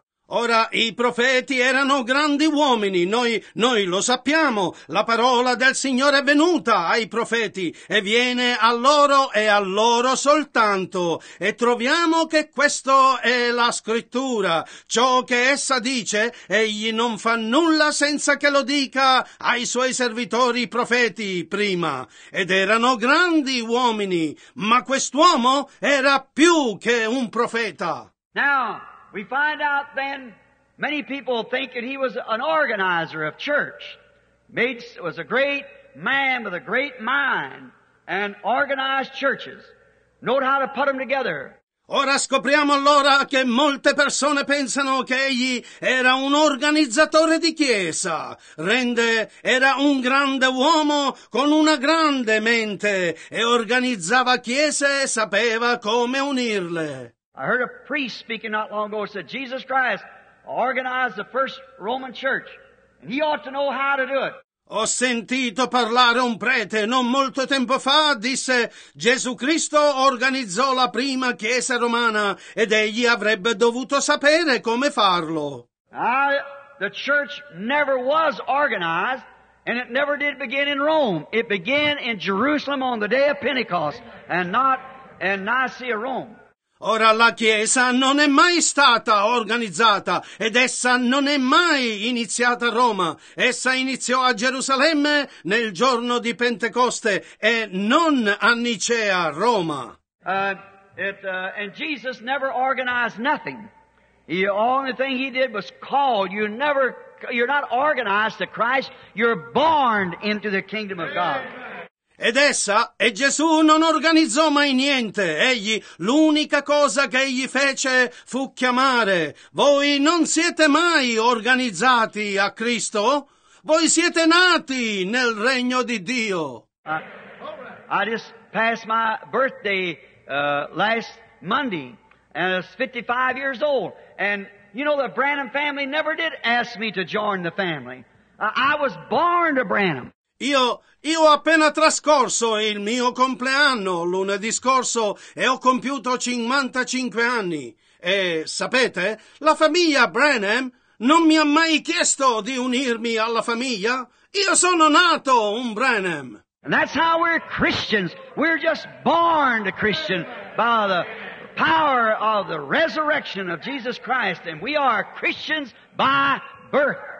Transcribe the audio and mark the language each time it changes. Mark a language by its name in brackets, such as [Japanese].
[Italian] Ora, i profeti erano grandi uomini, noi lo sappiamo, la parola del Signore è venuta ai profeti e viene a loro e a loro soltanto, e troviamo che questo è la scrittura, ciò che essa dice, egli non fa nulla senza che lo dica ai suoi servitori profeti prima, ed erano grandi uomini, ma quest'uomo era più che un profeta. [English] Now, we find out then many people think that he was an organizer of church. Was a great man with a great mind and organized churches. Know how to put them together. [Italian] Ora scopriamo allora che molte persone pensano che egli era un organizzatore di chiesa. Rende era un grande uomo con una grande mente e organizzava chiese e sapeva come unirle. [English] I heard a priest speaking not long ago said Jesus Christ organized the first Roman church and he ought to know how to do it. [Italian] Ho sentito parlare un prete non molto tempo fa, disse, Gesù Cristo organizzò la prima chiesa romana ed egli avrebbe dovuto sapere come farlo. [English] The church never was organized and it never did begin in Rome. It began in Jerusalem on the day of Pentecost and not in Nicaea, Rome. [Italian] Ora la Chiesa non è mai stata organizzata ed essa non è mai iniziata a Roma. Essa iniziò a Gerusalemme nel giorno di Pentecoste e non a Nicea, Roma. [English] And Jesus never organized nothing. The only thing he did was call. You're not organized to Christ, you're born into the kingdom of God. [Italian] Ed essa, e Gesù, non organizzò mai niente. Egli, l'unica cosa che egli fece fu chiamare. Voi non siete mai organizzati a Cristo? Voi siete nati nel regno di Dio. [English] I just passed my birthday last Monday, and I was 55 years old. And you know, the Branham family never did ask me to join the family. I was born to Branham. [Italian] Io ho appena trascorso il mio compleanno lunedì scorso e ho compiuto 55 anni. E sapete, la famiglia Branham non mi ha mai chiesto di unirmi alla famiglia. Io sono nato un Branham. [English] And that's how we're Christians. We're just born a Christian by the power of the resurrection of Jesus Christ. And we are Christians by birth.